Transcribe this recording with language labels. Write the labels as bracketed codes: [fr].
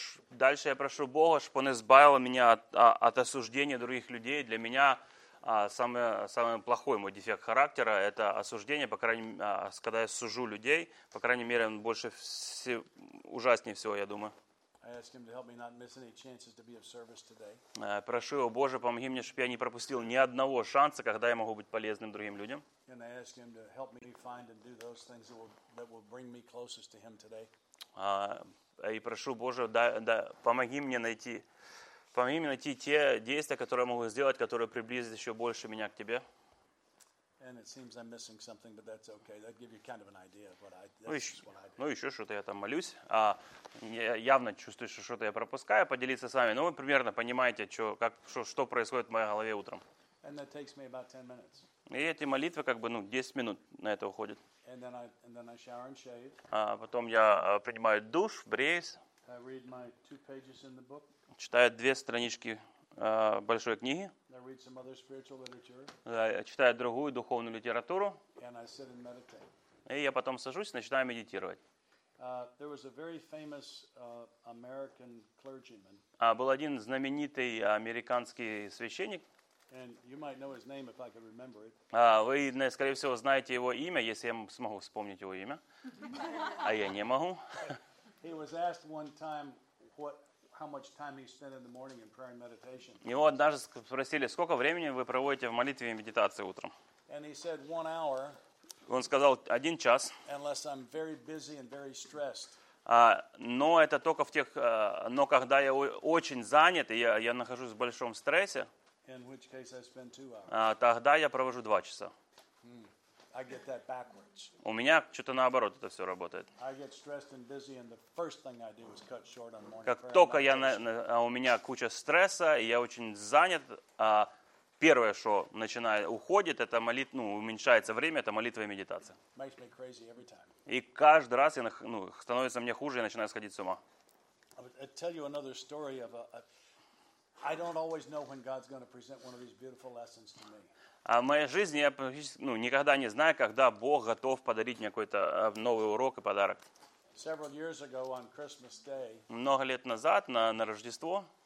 [ru] Дальше я прошу Бога, чтобы он избавил меня от осуждения других людей. Для меня самый плохой мой дефект характера – это осуждение, по крайней мере, когда я сужу людей, по крайней мере, он больше ужаснее всего, я думаю. [en] I ask him to help me not miss any chances to be of service today. [ru] Прошу его, Боже, помоги мне, чтобы я не пропустил ни одного шанса, когда я могу быть полезным другим людям. [en] And I ask him to help me find and do those things that will bring me closest to him today. [ru] И прошу, Боже, да, помоги мне найти те действия, которые я могу сделать, которые приблизят еще больше меня к тебе. [en] And it seems I'm missing something, but that's okay. That'd give you kind of an idea of what I. [ru] Ну еще что-то я там молюсь. Я явно чувствую, что что-то я пропускаю. Поделиться с вами. Ну вы примерно понимаете, что происходит в моей голове утром. [en] And that takes me about 10 minutes. [ru] И эти молитвы 10 минут на это уходят. [en] And then I shower and shave. [ru] Потом я принимаю душ, бреюсь. [en] I read my 2 pages in the book. [ru] Читаю 2 странички большой книги. [en] I read some other spiritual literature. [ru] Я читаю другую духовную литературу. [en] And I sit and meditate. [ru] И я потом сажусь и начинаю медитировать. [en] There was a very famous American clergyman. [ru] Был один знаменитый американский священник. [en] And you might know his name if I could remember it. [ru] Вы, скорее всего, знаете его имя, если я смогу вспомнить его имя. А я не могу. [en] He was asked one time how much time he spent in the morning in prayer and meditation. [ru] Его однажды спросили, сколько времени вы проводите в молитве и медитации утром. [en] And he said 1 hour. [ru] Он сказал 1 час. [en] Unless I'm very busy and very stressed. [ru] Но это только в тех, но когда я очень занят и я нахожусь в большом стрессе. [en] In which case I spend 2 hours. [ru] Тогда я провожу 2 часа. [en] I get that backwards. [ru] У меня что-то наоборот это все работает. [en] I get stressed and busy, and the first thing I do is cut short on morning. [ru] Как только я у меня куча стресса, и я очень занят, первое, что начинает уходит, это молитва, уменьшается время, это молитва и медитация. [en] Makes me crazy every time. [ru] И каждый раз я становится мне хуже, я начинаю сходить с ума. [en] I tell you another story of I don't always know when God's going to present one of these beautiful lessons to me. [ru] А в моей жизни я практически никогда не знаю, когда Бог готов подарить мне какой-то новый урок и подарок. [en] Several years ago on Christmas Day, [ru] много лет назад, на Рождество,